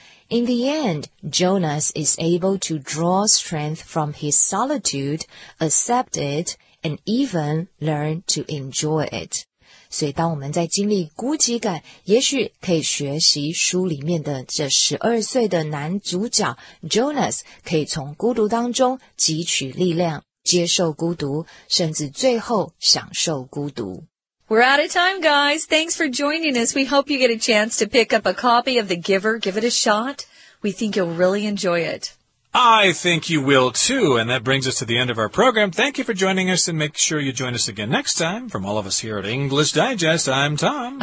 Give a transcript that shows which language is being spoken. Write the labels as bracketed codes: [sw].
[en] In the end, Jonas is able to draw strength from his solitude, accept it, and even learn to enjoy it. [zh] 所以当我们在经历孤寂感，也许可以学习书里面的这12岁的男主角 Jonas 可以从孤独当中汲取力量，接受孤独，甚至最后享受孤独。 [en] We're out of time, guys. Thanks for joining us. We hope you get a chance to pick up a copy of The Giver. Give it a shot. We think you'll really enjoy it. I think you will, too. And that brings us to the end of our program. Thank you for joining us, and make sure you join us again next time. From all of us here at English Digest, I'm Tom.